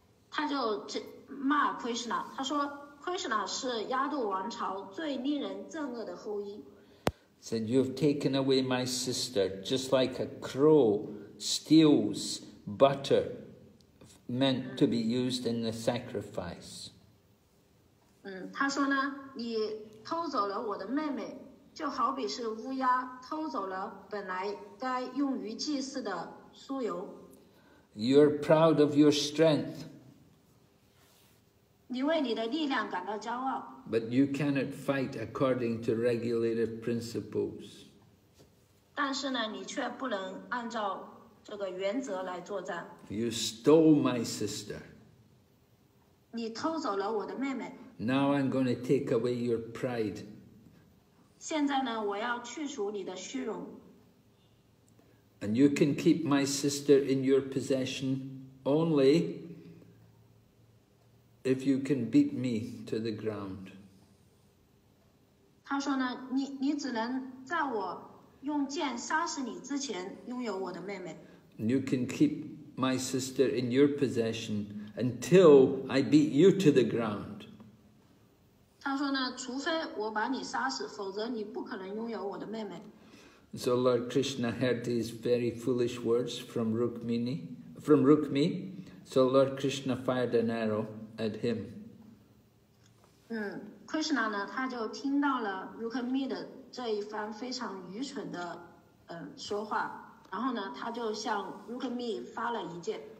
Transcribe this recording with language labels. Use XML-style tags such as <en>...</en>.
<zh>他就骂 Krishna， 他说 Krishna 是亚度王朝最令人憎恶的后裔。</zh> <en>Said you have taken away my sister, just like a crow steals butter meant to be used in the sacrifice.</en> <zh>他说呢，你偷走了我的妹妹，就好比是乌鸦偷走了本来该用于祭祀的酥油。</zh> <en>You're proud of your strength.</en> <zh>你为你的力量感到骄傲。</zh> <en>But you cannot fight according to regulative principles.</en> <zh>但是呢，你却不能按照这个原则来作战。</zh> <en>You stole my sister.</en> <zh>你偷走了我的妹妹。</zh> <en>Now I'm going to take away your pride.</en> <zh>现在呢，我要去除你的虚荣。</zh> <en>And you can keep my sister in your possession only. If you can beat me to the ground.</en> <zh>他说呢，你只能在我用剑杀死你之前拥有我的妹妹。</zh> <en>You can keep my sister in your possession until I beat you to the ground.</en> <zh>他说呢，除非我把你杀死，否则你不可能拥有我的妹妹。</zh> <en>So Lord Krishna heard these very foolish words from Rukmi. So Lord Krishna fired an arrow. At him.</en> <zh>Krishna 呢，他就听到了 Rukmi 的这一番非常愚蠢的说话，然后呢，他就向 Rukmi 发了一箭。</zh>